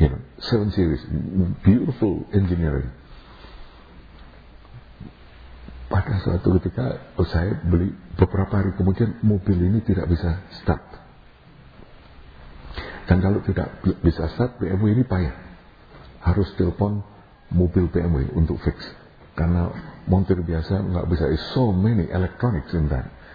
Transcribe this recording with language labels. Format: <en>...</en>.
<en>You know, 7 series, beautiful engineering.</en> <id>Pada suatu ketika, saya beli, beberapa hari kemudian, mobil ini tidak bisa start. Dan kalau tidak bisa start, BMW ini payah. Harus telepon mobil BMW untuk fix, karena montir biasa nggak bisa.</id> <en>It's so many electronics in that.</en>